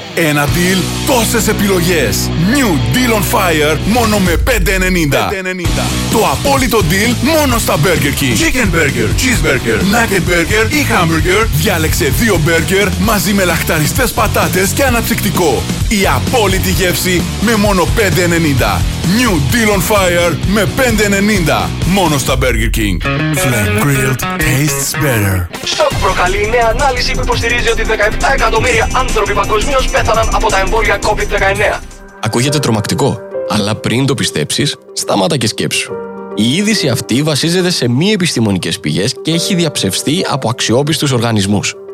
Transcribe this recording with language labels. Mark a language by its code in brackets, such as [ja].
[el] Ένα deal, τόσες επιλογές. New Deal on Fire, μόνο με 5,90. Το απόλυτο deal, μόνο στα Burger King. Chicken Burger, Cheeseburger, Nugget Burger ή Hamburger. Διάλεξε δύο burger μαζί με λαχταριστές πατάτες και αναψυκτικό. Η απόλυτη γεύση με μόνο 5,90. New Deal on Fire με 5,90. Μόνο στα Burger King. [en] Flame Grilled Tastes Better. [el] Σοκ προκαλεί η νέα ανάλυση που υποστηρίζει ότι 17 εκατομμύρια άνθρωποι παγκοσμίως πέθαναν από τα εμβόλια COVID-19. Ακούγεται τρομακτικό, αλλά πριν το πιστέψεις, σταμάτα και σκέψου. Η είδηση αυτή βασίζεται σε μη επιστημονικές πηγές και έχει διαψευστεί από αξιόπιστους οργανισμούς.